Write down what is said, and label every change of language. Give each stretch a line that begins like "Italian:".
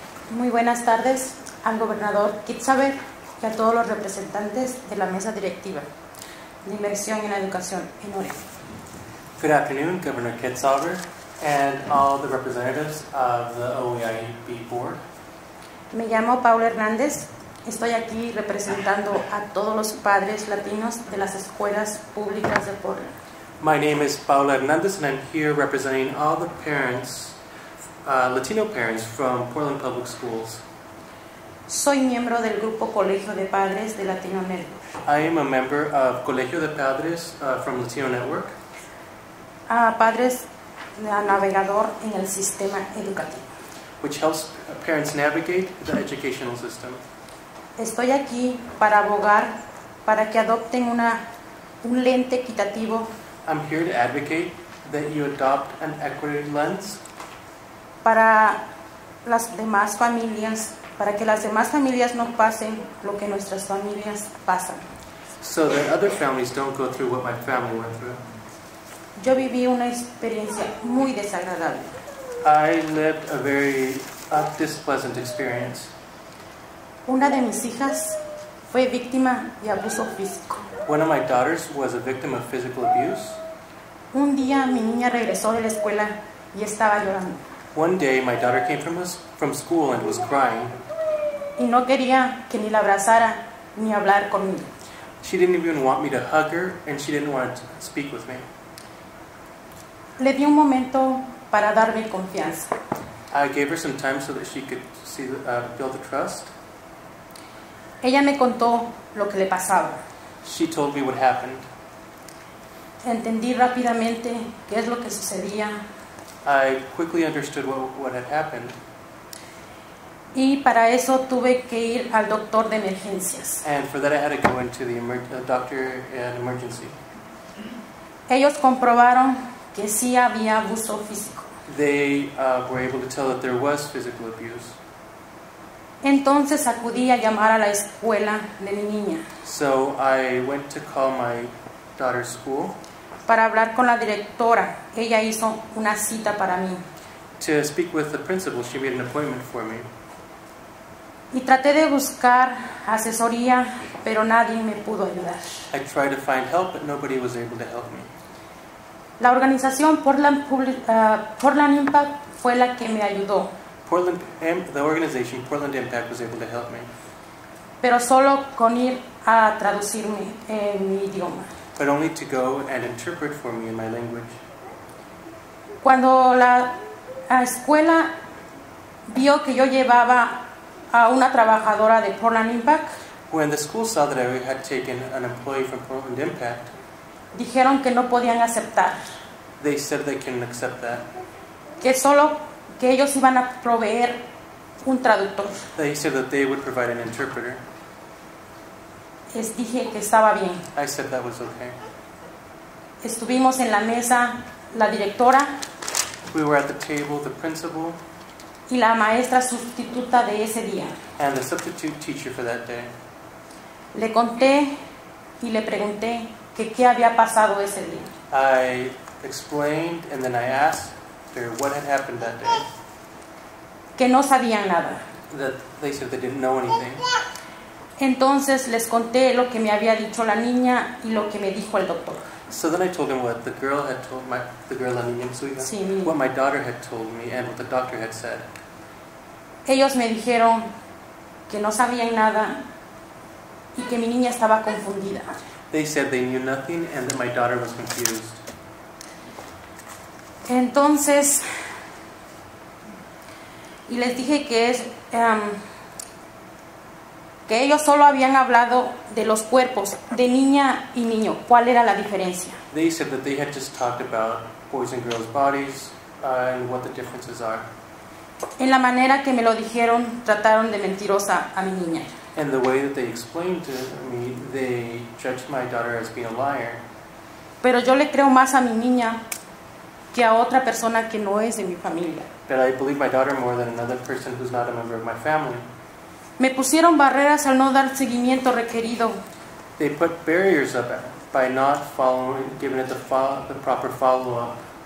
Spanish: Muy buenas tardes al gobernador Kitzhaber y a todos los representantes de la mesa directiva de inversión en educación en Oregon.
English: Good afternoon, Governor Kitzhaber, and all the representatives of the OEIB board.
Spanish: Me llamo Paula Hernández. Estoy aquí representando a todos los padres latinos de las escuelas públicas de Portland.
English: My name is Paula Hernández, and I'm here representing all the parents, Latino parents from Portland Public Schools.
Spanish: Soy miembro del grupo Colegio de Padres de Latino Network.
English: I am a member of Colegio de Padres from Latino Network.
Spanish: A padres a navegador en el sistema educativo.
English: Which helps parents navigate the educational system.
Spanish: Estoy aquí para abogar para que adopten un lente equitativo.
English: I'm here to advocate that you adopt an equity lens.
Spanish: Para las demás familias, para que las demás familias no pasen lo que nuestras familias pasan.
English: So that other families don't go through what my family went through.
Spanish: Yo viví una experiencia muy desagradable.
English: I lived a very displeasant experience.
Spanish: Una de mis hijas fue víctima de abuso físico.
English: One of my daughters was a victim of physical abuse.
Spanish: Un día mi niña regresó de la escuela y estaba llorando.
English: One day my daughter came from school and was crying.
Spanish: Y no quería que ni la abrazara ni hablar conmigo.
English: She didn't even want me to hug her and she didn't want to speak with me.
Spanish: Le di un momento para darme confianza.
English: I gave her some time so that she could see build the trust.
Spanish: Ella me contó lo que le pasaba.
English: She told me what happened.
Spanish: Entendí rápidamente qué es lo que sucedía.
English: I quickly understood what had happened.
Spanish: Y para eso tuve que ir al doctor de emergencias.
English: And for that I had to go into the doctor in emergency.
Spanish: Ellos comprobaron que sí había abuso físico.
English: They were able to tell that there was physical abuse.
Spanish: Entonces acudí a llamar a la escuela de mi niña.
English: So I went to call my daughter's school.
Spanish: Para hablar con la directora, ella hizo una cita para mí.
English: To speak with the principal, she made an appointment for me.
Spanish: Y traté de buscar asesoría, pero nadie me pudo ayudar.
English: I tried to find help, but nobody was able to help me.
Spanish: La organización Portland Impact fue la que me ayudó.
English: The organization Portland Impact was able to help me.
Spanish: Pero solo con ir a traducirme en mi idioma.
English: But only to go and interpret for me in my language.
Spanish: Cuando la escuela vio que yo llevaba a una trabajadora de Portland Impact,
English: when the school saw that I had taken an employee from Portland Impact,
Spanish: dijeron que no podían aceptar.
English: They said they couldn't accept that.
Spanish: Que solo que ellos iban a proveer un traductor.
English: They said that they would provide an interpreter.
Spanish: Les dije que estaba bien.
English: I said that was okay.
Spanish: Estuvimos en la mesa, la directora.
English: We were at the table, the principal.
Spanish: y la maestra sustituta de ese día.
English: And the substitute teacher for that day.
Spanish: Le conté y le pregunté que qué había pasado ese día.
English: I explained and then I asked her what had happened that day.
Spanish: Que no sabían nada.
English: That they said they didn't know anything.
Spanish: Entonces les conté lo que me había dicho la niña y lo que me dijo el doctor.
English: So then I told him what the girl had told my the girl
Spanish: la niña, sí,
English: what my daughter had told me and what the doctor had said.
Spanish: Ellos me dijeron que no sabían nada y que mi niña estaba confundida.
English: They said they knew nothing and that my daughter was confused.
Spanish: Entonces y les dije que es que ellos solo habían hablado de los cuerpos de niña y niño. ¿Cuál era la diferencia?
English: They said that they had just talked about boys and girls' bodies and what the differences are.
Spanish: En la manera que me lo dijeron, trataron de mentirosa a mi niña.
English: And the way that they explained to me, they judged my daughter as being a liar.
Spanish: Pero yo le creo más a mi niña que a otra persona que no es de mi familia.
English: But I believe my daughter more than another person who's not a member of my family.
Spanish: Me pusieron barreras al no dar seguimiento requerido.
English: They put barriers up by not following, giving it the proper follow-up.